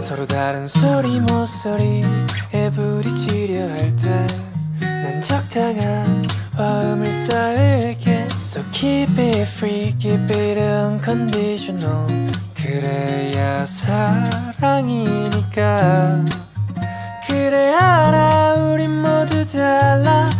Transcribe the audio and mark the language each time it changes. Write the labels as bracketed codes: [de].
[ko] 서로 다른 소리 모서리에 부딪히려 할 때 난 적당한 화음을 쌓을게. [en] So keep it free, keep it unconditional. [ko] 그래야 사랑이니까. 그래 알아, 우린 모두 달라.